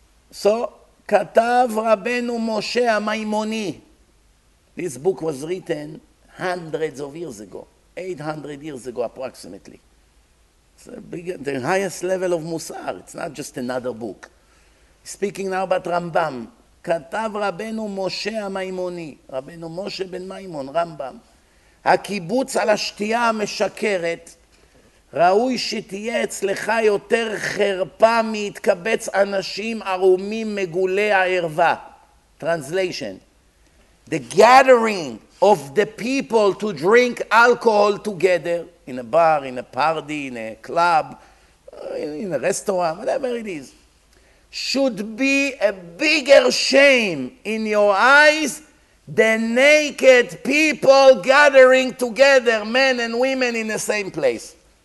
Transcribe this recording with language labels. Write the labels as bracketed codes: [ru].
[en] So, Katav Rabbeinu Moshe HaMaimoni. This book was written hundreds of years ago, 800 years ago approximately. It's the highest level of Musar. It's not just another book. Speaking now about Rambam, [he] Katav Rabbeinu Moshe HaMaimoni, Rabbeinu Moshe ben Maimon, Rambam, הקיבוץ על השתייה המשקרת, ראוי שתהיה אצלך יותר חרפה מהתקבץ אנשים ערומים מגולי הערבה. [en] Translation. The gathering of the people to drink alcohol together in a bar, in a party, in a club, in a restaurant, whatever it is, should be a bigger shame in your eyes than naked people gathering together, men and women in the same place.